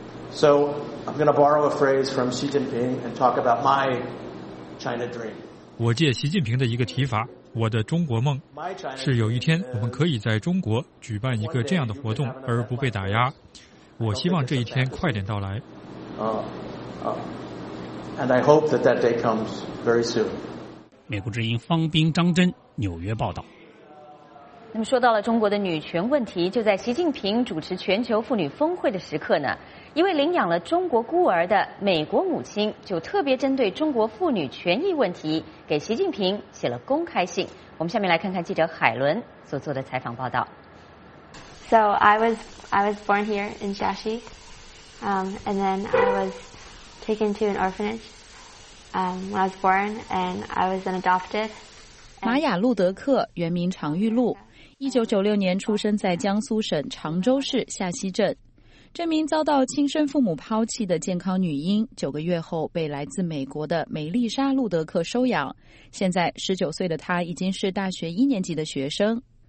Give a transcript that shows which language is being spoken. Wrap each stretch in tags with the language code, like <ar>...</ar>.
<en>So I'm going to borrow a phrase from Xi Jinping and talk about my China dream.</en> <zh>我借习近平的一个提法，我的中国梦是有一天我们可以在中国举办一个这样的活动而不被打压。我希望这一天快点到来。</zh> <en>And I hope that that day comes very soon.</en> <zh>美国之音方冰、张真，纽约报道。那么说到了中国的女权问题，就在习近平主持全球妇女峰会的时刻呢，一位领养了中国孤儿的美国母亲就特别针对中国妇女权益问题给习近平写了公开信。我们下面来看看记者海伦所做的采访报道。</zh> <en>So I was born here in Shashi, and then I was taken to an orphanage when I was born, and I was then adopted.</en> <zh>玛雅·路德克，原名常玉露，1996年出生在江苏省常州市下溪镇。这名遭到亲生父母抛弃的健康女婴，九个月后被来自美国的梅丽莎·路德克收养。现在19岁的她已经是大学一年级的学生。</zh>